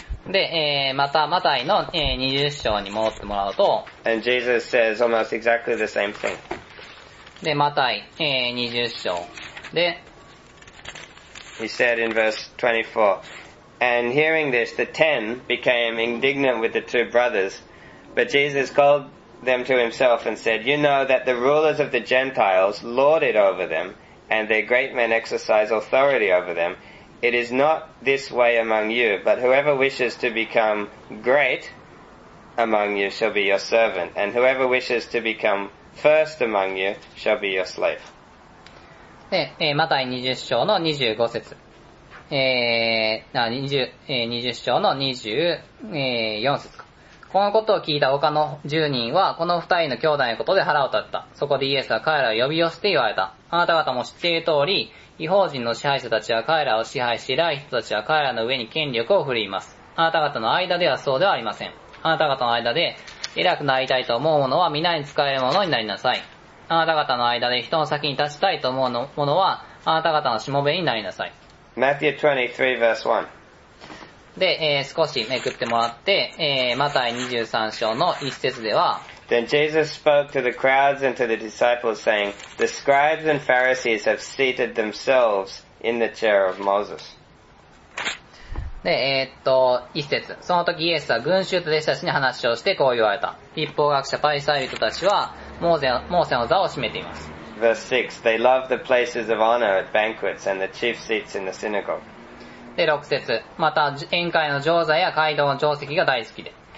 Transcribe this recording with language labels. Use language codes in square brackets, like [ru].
[ja] で、また、マタイの、20章に戻ってもらうと、 [en] And Jesus says almost exactly the same thing. [ja] で、マタイ、20章。で、 [en] He said in verse 24, And hearing this, the ten became indignant with the two brothers, but Jesus called them to himself and said, You know that the rulers of the Gentiles lord it over them, and their great men exercise authority over them. It is not this way among you, but whoever wishes to become great among you shall be your servant, and whoever wishes to become first among you shall be your slave. [ja] で、マタイ20章の25節、20章の24節か。このことを聞いた他の10人は、この2人の兄弟のことで腹を立てた。そこでイエスは彼らを呼び寄せて言われた。あなた方も知っている通り、異邦人の支配者たちは彼らを支配し、偉い人たちは彼らの上に権力を振るいます。あなた方の間ではそうではありません。あなた方の間で、偉くなりたいと思う者は皆に使えるものになりなさい。あなた方の間で人の先に立ちたいと思うものは、あなた方のしもべになりなさい。 [en] Matthew 23 verse [ja] 1。で、少しめくってもらって、マタイ23章の一節では、 [en] Then Jesus spoke to the crowds and to the disciples saying, The scribes and Pharisees have seated themselves in the chair of Moses. [ja] で、一節。その時イエスは群衆と弟子たちに話をしてこう言われた。律法学者パリサイ人たちは、モーゼの座を占めています。 [en] Verse 6 They love the places of honor at banquets and the chief seats in the synagogue. [ja] で、6節また宴会の上座や会堂の上席が大好きで。